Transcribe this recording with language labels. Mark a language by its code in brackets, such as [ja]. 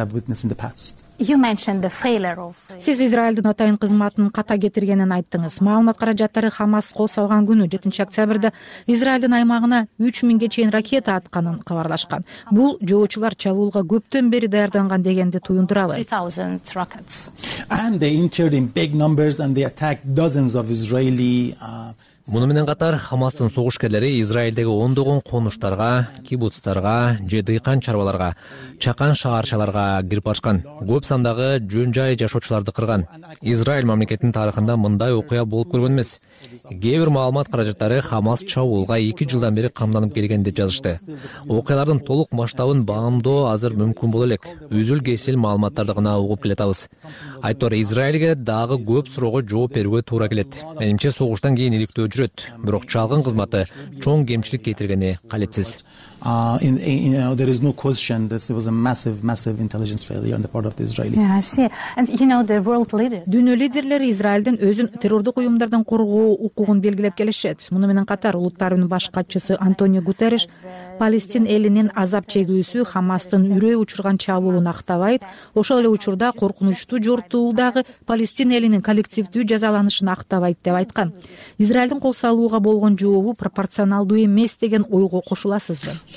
[en] You mentioned the failure of [ky] Сиз Израилдин атайын кызматынын ката кетиргенин айттыңыз. Маалымат каражаттары Хамас кол салган күнү 7 октябрда Израилдин аймагына 3,000 чейин ракета атканын кабарлашкан. Бул жоочулар чабуулга көптөн бери даярданган дегенди туюндурабы? [en] 3,000 rockets. And they entered in big numbers and they attacked dozens of Israeli [ky] Муну менен катар Хамастын согушкерлери Израилдеги ондогон конуштарга, кибуцтарга же дыйкан чарбаларга, чакан шаарчаларга кирип барышкан. Көп сандагы жөн жай жашоочуларды кырган. Израиль мамлекетинин тарыхында мындай окуя болуп көргөн эмес. Кээ бир маалымат каражаттары Хамас чабуулга 2 жылдан бери камданып келген деп жазышты. Окуялардын толук масштабын баамдоо азыр мүмкүн боло элек. Үзүл кесил маалыматтарды гана угуп келатабыз. Айтор, Израилге дагы көп суроого жооп берүүгө туура келет. Менимче согуштан кийин иликтөө жүрөт, бирок чалгын кызматы чоң кемчилик кетиргени калетсиз. [en] There is no question that it was a massive intelligence failure on the part of the Israelis. Yeah, I see. And you know the world leaders. [ky] Дүйнө лидерлери Израилдин өзүн террордук уюмдардан коргоо укугун белгилеп келишет. Муну менен катар улуттардын баш катчысы Антонио Гутерриш Палестин элинин азап чегүүсү Хамастын үрөй учурган чабуулун актабайт, ошол эле учурда коркунучтуу жортуулдагы Палестин элинин коллективдүү жазаланышын актабайт деп айткан. Израилдин кол салууга болгон жообу пропорционалдуу эмес деген ойго кошуласызбы?